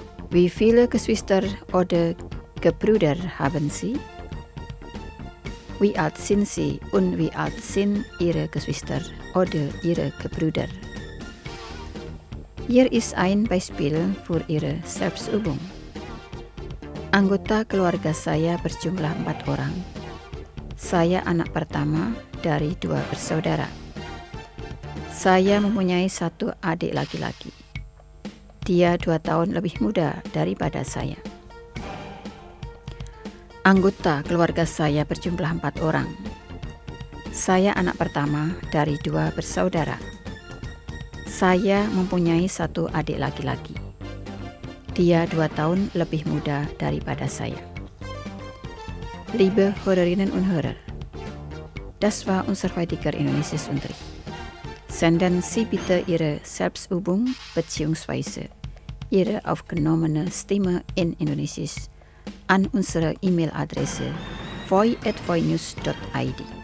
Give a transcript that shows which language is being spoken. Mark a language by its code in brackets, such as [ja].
[de] Wie viele Geschwister oder Gebrüder haben Sie? Wie alt sind Sie und wie alt sind Ihre Geschwister oder Ihre Gebrüder? Hier ist ein Beispiel für Ihre Selbstübung. [id] Anggota keluarga saya berjumlah 4 orang. Saya anak pertama dari dua bersaudara. Saya mempunyai satu adik laki-laki. Dia 2 tahun lebih muda daripada saya. Anggota keluarga saya berjumlah 4 orang. Saya anak pertama dari 2 bersaudara. Saya mempunyai 1 adik laki-laki. Dia 2 tahun lebih muda daripada saya. [de] Liebe Hörerinnen und Hörer, das war unser heutiger Indonesisches Unterricht. Senden Sie bitte Ihre Selbstübung bzw. Ihre aufgenommene Stimme in Indonesisch an unsere E-Mail-Adresse voi@voinews.id.